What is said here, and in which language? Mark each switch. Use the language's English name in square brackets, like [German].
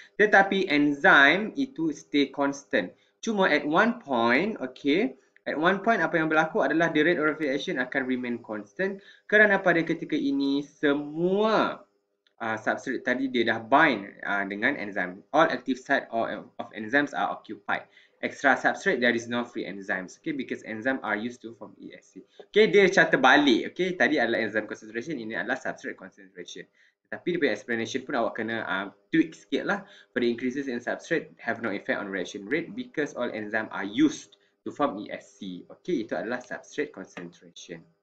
[Malay] Tetapi, enzyme itu [English] stay constant. [Malay] Cuma [English] at one point, okay, at one point, [Malay] apa yang berlaku adalah [English] the rate of reaction [Malay] akan [English] remain constant [Malay] kerana pada ketika ini, semua substrate tadi dia dah bind dengan enzyme. [English] All active site of enzymes are occupied. Extra substrate, there is no free enzymes. Okay, because enzymes are used to form ESC. [Malay] Okay, dia carta balik. Okay, tadi adalah enzyme concentration, ini adalah substrate concentration. Tetapi dia punya explanation pun awak kena tweak sikit lah. [English] For the increases in substrate have no effect on reaction rate because all enzymes are used to form ESC. [Malay] Okay, itu adalah substrate concentration.